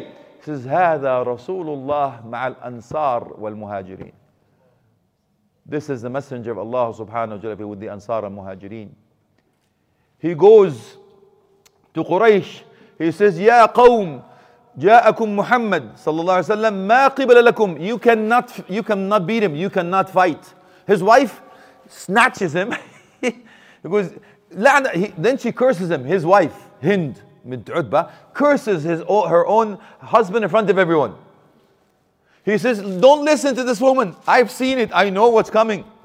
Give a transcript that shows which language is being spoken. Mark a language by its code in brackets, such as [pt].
[en] He says, [ar] هذا رسول الله مع الأنصار والمهاجرين. [en] This is the messenger of Allah subhanahu wa ta'ala with the Ansar and Muhajirin. He goes to Quraysh. He says, [ar] يا قوم جاءكم محمد صلى الله عليه وسلم ما قبل لكم. [en] You cannot beat him. You cannot fight. His wife snatches him. He goes, then she curses him. His wife, Hind. Mid'udba curses her own husband in front of everyone. He says, don't listen to this woman. I've seen it. I know what's coming.